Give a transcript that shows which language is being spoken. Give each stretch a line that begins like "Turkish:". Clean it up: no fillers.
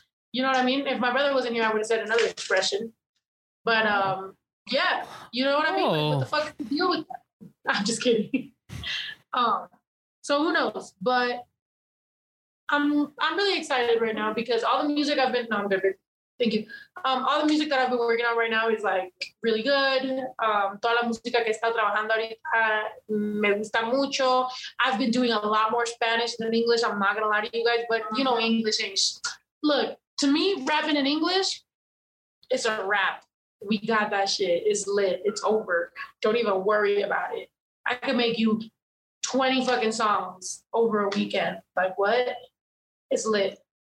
English: You know what I mean? If my brother wasn't here, I would have said another expression. But, yeah, you know what I mean? Like, what the fuck is the deal with that? I'm just kidding. So who knows? But I'm really excited right now because all the music I've been... No, I'm good. Thank you. All the music that I've been working on right now is, like, really good.
Spanish: Toda la música que está trabajando ahorita me gusta mucho.
English: I've been doing a lot more Spanish than English. I'm not going to lie to you guys, but, you know, English ain't... Look, to me, rapping in English, it's a rap. We got that shit. It's lit. It's over. Don't even worry about it. I can make you 20 fucking songs over a weekend. Like, what? It's lit.